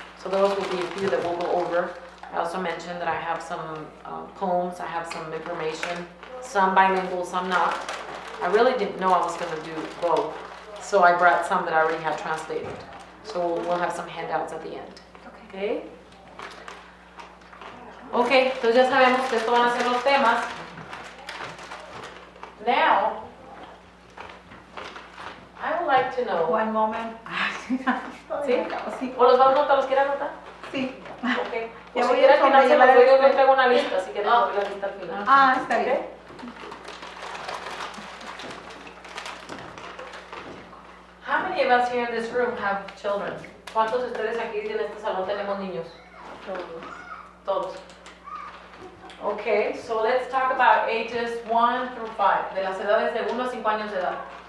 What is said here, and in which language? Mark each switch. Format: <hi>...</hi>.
<en>So those will be a few that we'll go over. I also mentioned that I have some poems, I have some information, some bilingual, some not. I really didn't know I was going to do both, so I brought some that I already had translated. So we'll have some handouts at the end. Okay.</en> <es>Ok, entonces ya sabemos que estos van a ser los temas.</es> <en>Now, I would like to know. One moment.</en> <es>¿Sí? Sí. ¿O los va a anotar? ¿Los quiere anotar? Sí. Ok. Ya o si quiere anotar, se los voy a traer una lista, así que no, la lista al final. Ah, está bien. Okay.</es> <en>How many of us here in this room have children?</en> <es>¿Cuántos de ustedes aquí en este salón tenemos niños? Todos.</es> <en>Okay, so let's talk about ages 1 through 5.</en> <es>De las edades de 1 a 5 años de edad.</es>